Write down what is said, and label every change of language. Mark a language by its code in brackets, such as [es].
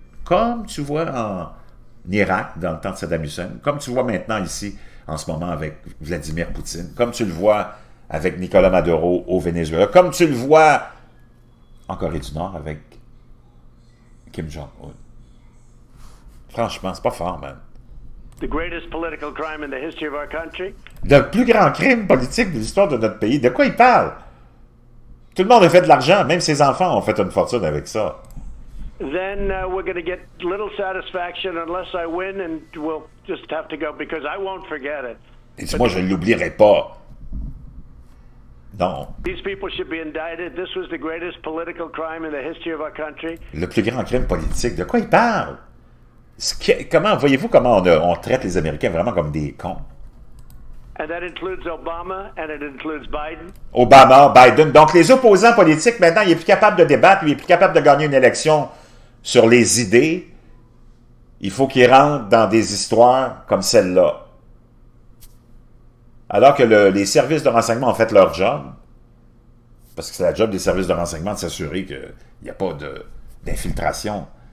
[fr] Comme tu vois en Irak, dans le temps de Saddam Hussein, comme tu vois maintenant ici, en ce moment, avec Vladimir Poutine, comme tu le vois avec Nicolas Maduro au Venezuela, comme tu le vois en Corée du Nord avec Kim Jong-un. Franchement, c'est pas fort, man. [en] The greatest political crime in the history of our country. [fr] Le plus grand crime politique de l'histoire de notre pays, de quoi il parle? Tout le monde a fait de l'argent, même ses enfants ont fait une fortune avec ça. [en] Then we're going to get little satisfaction unless I win, and we'll just have to go because I won't forget it. [fr] Et moi, je ne l'oublierai pas. Non. [en] These people should be indicted. This was the greatest political crime in the history of our country. [fr] Le plus grand crime politique, de quoi il parle? Comment voyez-vous comment on traite les Américains vraiment comme des cons? [en] And that includes Obama and it includes Biden. [fr] Obama, Biden, donc les opposants politiques, maintenant, il n'est plus capable de débattre, il n'est plus capable de gagner une élection sur les idées. Il faut qu'il rentre dans des histoires comme celle-là. Alors que les services de renseignement ont fait leur job, parce que c'est la job des services de renseignement de s'assurer qu'il n'y a pas d'infiltration.